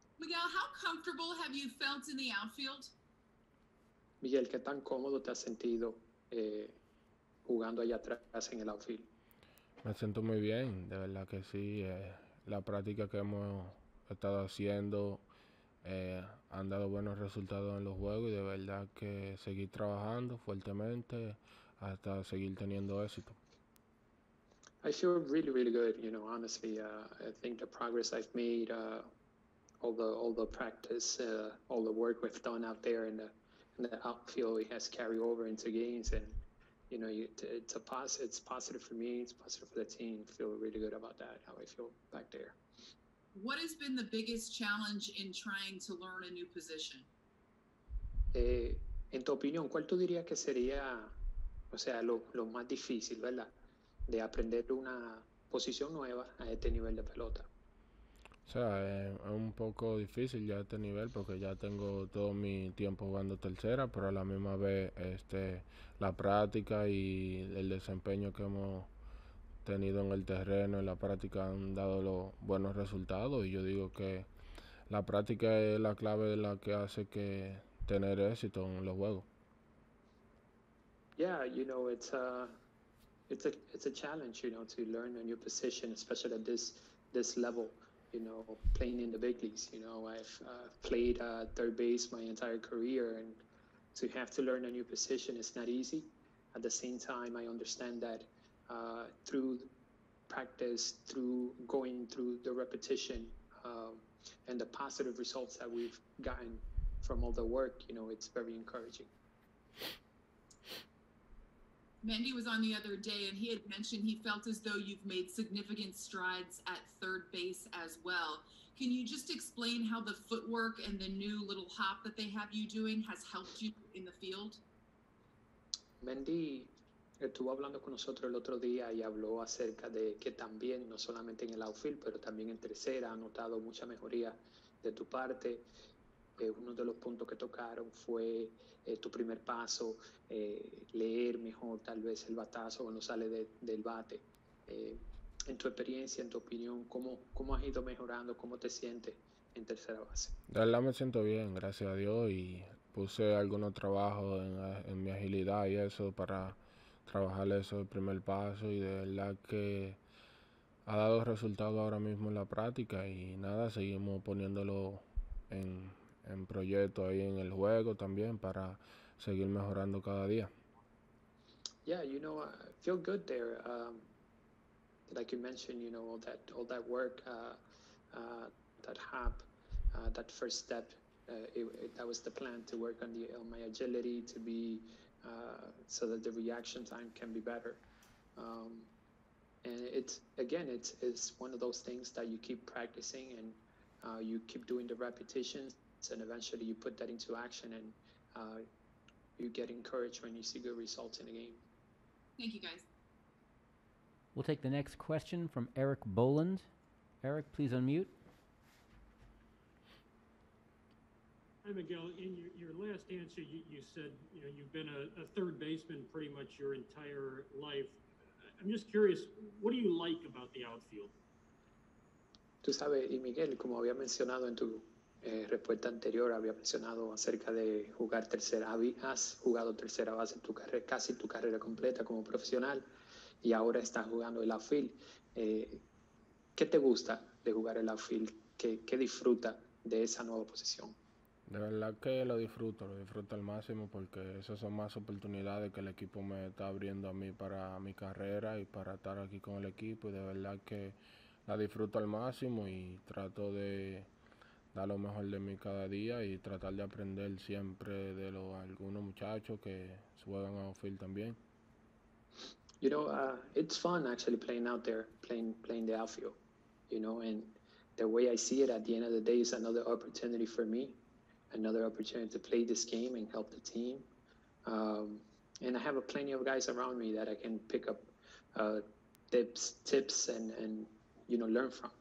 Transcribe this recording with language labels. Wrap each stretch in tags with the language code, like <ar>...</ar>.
<en>Miguel, how comfortable have you felt in the outfield?</en> <es>Miguel, ¿qué tan cómodo te has sentido jugando allá atrás en el outfield? Me siento muy bien, de verdad que sí. La práctica que hemos estado haciendo han dado buenos resultados en los juegos y de verdad que seguir trabajando fuertemente hasta seguir teniendo éxito.</es> <en>I feel really, really good, you know, honestly. I think the progress I've made, all the practice, all the work we've done out there in the outfield, it has carried over into games. And, you know, it's positive for me. It's positive for the team. I feel really good about that, how I feel back there. What has been the biggest challenge in trying to learn a new position?</en> <es>En tu opinión, ¿cuál tú dirías que sería, o sea, lo más difícil, ¿verdad? De aprender una posición nueva a este nivel de pelota. O sea, es un poco difícil ya este nivel porque ya tengo todo mi tiempo jugando tercera, pero a la misma vez la práctica y el desempeño que hemos tenido en el terreno, en la práctica han dado los buenos resultados y yo digo que la práctica es la clave de la que hace que tener éxito en los juegos.</es> <en>Yeah, you know, it's a challenge, you know, to learn a new position, especially at this level, you know, playing in the big leagues. You know, I've played third base my entire career, and to have to learn a new position is not easy. At the same time, I understand that through practice, through going through the repetition, and the positive results that we've gotten from all the work, you know, it's very encouraging. Mendy was on the other day and he had mentioned he felt as though you've made significant strides at third base as well. Can you just explain how the footwork and the new little hop that they have you doing has helped you in the field?</en> <es>Mendy estuvo hablando con nosotros el otro día y habló acerca de que también, no solamente en el outfield, pero también en tercera, ha notado mucha mejoría de tu parte. Uno de los puntos que tocaron fue tu primer paso, leer mejor tal vez el batazo cuando sale del bate. En tu experiencia, en tu opinión, ¿cómo has ido mejorando? ¿Cómo te sientes en tercera base? De verdad me siento bien, gracias a Dios, y puse algunos trabajos en mi agilidad y eso para trabajar eso el primer paso y de verdad que ha dado resultado ahora mismo en la práctica y nada, seguimos poniéndolo en proyecto ahí en el juego también para seguir mejorando cada día.</es> <en>Yeah, you know, I feel good there. Like you mentioned, you know, all that work, that hop, that first step, that was the plan to work on my agility to be so that the reaction time can be better. And it's one of those things that you keep practicing and you keep doing the repetitions and eventually you put that into action and you get encouraged when you see good results in the game. Thank you, guys. We'll take the next question from Eric Boland. Eric, please unmute. Hi, Miguel. In your last answer, you said, you know, you've been a third baseman pretty much your entire life. I'm just curious, what do you like about the outfield?</en> <es>Tú sabes, y Miguel, como había mencionado en tu respuesta anterior, había mencionado acerca de jugar tercera base. Has jugado tercera base en tu carrera, casi tu carrera completa como profesional. Y ahora estás jugando el outfield. ¿Qué te gusta de jugar el outfield? ¿Qué disfruta de esa nueva posición? De verdad que lo disfruto al máximo porque esas son más oportunidades que el equipo me está abriendo a mí para mi carrera y para estar aquí con el equipo. Y de verdad que la disfruto al máximo y trato de dar lo mejor de mí cada día y tratar de aprender siempre de algunos muchachos que juegan a outfield también.</es> <en>You know, it's fun actually playing out there, playing the outfield, you know, and the way I see it at the end of the day is another opportunity for me, another opportunity to play this game and help the team. And I have plenty of guys around me that I can pick up tips and you know, learn from.</en>